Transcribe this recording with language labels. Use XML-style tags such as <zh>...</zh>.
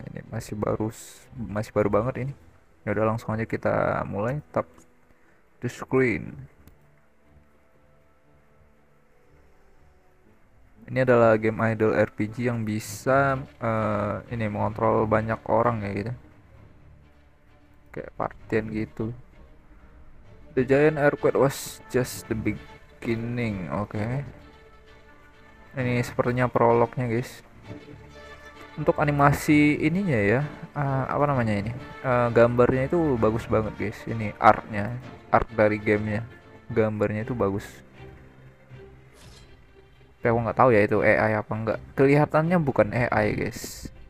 <id>Ini masih baru banget ini. Ya udah langsung aja kita mulai</id> <en>tap the screen.</en> <id>Ini adalah game idle RPG yang bisa ini mengontrol banyak orang ya gitu. Kayak partian gitu.</id> <en>The giant earthquake was just the beginning.</en> <id>Oke. Ini sepertinya prolognya guys. Untuk animasi ininya ya, apa namanya ini? Gambarnya itu bagus banget guys. Ini artnya, art dari gamenya, gambarnya itu bagus. Tapi aku nggak tahu ya itu AI apa enggak. Kelihatannya bukan AI guys.</id>